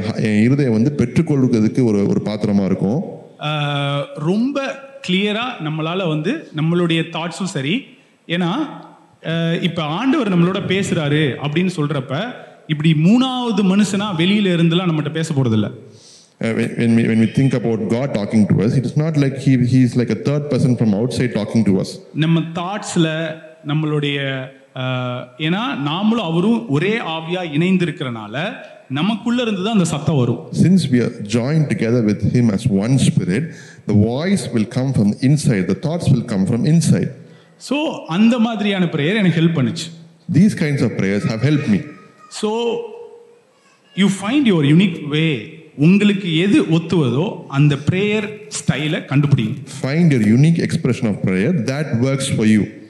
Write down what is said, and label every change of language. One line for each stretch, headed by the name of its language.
Tamil: என் இருதயம் வந்து பெற்றுக்கொள்கிறதுக்கு ஒரு ஒரு பாத்திரமாக இருக்கும். ரொம்ப கிளியரா நம்மளால வந்து நம்மளுடைய தாட்ஸும் சரி. ஏன்னா இப்ப ஆண்டவர் நம்மளோட பேசுறாரு அப்படின்னு சொல்றப்ப இப்படி மூணாவது மனுஷனா வெளியில இருந்தெல்லாம் நம்மகிட்ட பேச போறது இல்ல.
English: When we think about God talking to us, it is not like he is like a third person from outside talking to us.
Tamil: நம்ம தாட்ஸ்ல நம்மளுடைய ஏன்னா நாமளும் அவரும் ஒரே ஆவியா இணைந்து இருக்கிறனால நமக்குள்ள இருந்துதான் அந்த சத்தம் வரும்.
English: Since we are joined together with him as one spirit, the voice will come from inside, the thoughts will come from inside.
Tamil: So அந்த மாதிரியான prayer எனக்கு help பண்ணுச்சு.
English: These kinds of prayers have helped me. So you find your unique way.
Tamil: உங்களுக்கு எது ஒத்துவதோ அந்த prayer style கண்டுபிடிங்க.
English: Find your unique expression of prayer that works for you.